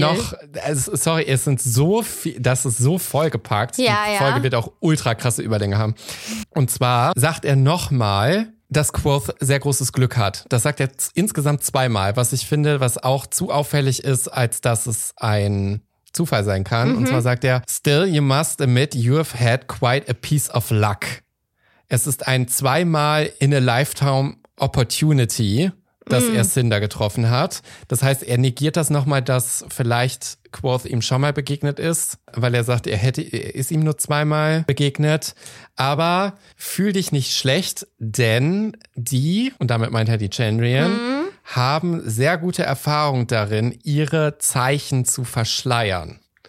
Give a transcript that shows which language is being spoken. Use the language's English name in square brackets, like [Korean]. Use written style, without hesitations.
[German] Noch, sorry, es sind so viel, das ist so vollgepackt. Ja, die Folge wird auch ultra krasse Überlänge haben. Und zwar sagt er nochmal, dass Quoth sehr großes Glück hat. Das sagt er insgesamt 2-mal, was ich finde, was auch zu auffällig ist, als dass es ein Zufall sein kann. Mhm. Und zwar sagt er, [English] still you must admit you've had quite a piece of luck. [German] Es ist ein 2-mal [English] in a lifetime Opportunity, [German] dass er Cinder getroffen hat. Das heißt, er negiert das nochmal, dass vielleicht Quoth ihm schon mal begegnet ist, weil er sagt, er ist ihm nur 2-mal begegnet. Aber fühl dich nicht schlecht, denn die, und damit meint er die Chandrian, haben sehr gute Erfahrung darin, ihre Zeichen zu verschleiern.